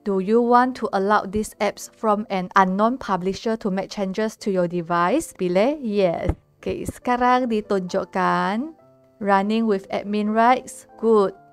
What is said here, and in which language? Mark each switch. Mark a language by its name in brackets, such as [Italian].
[English] Do you want to allow these apps from an unknown publisher to make changes to your device? [Indonesian] Pilih yes. Okay, sekarang ditunjukkan. [English] Running with admin rights, good.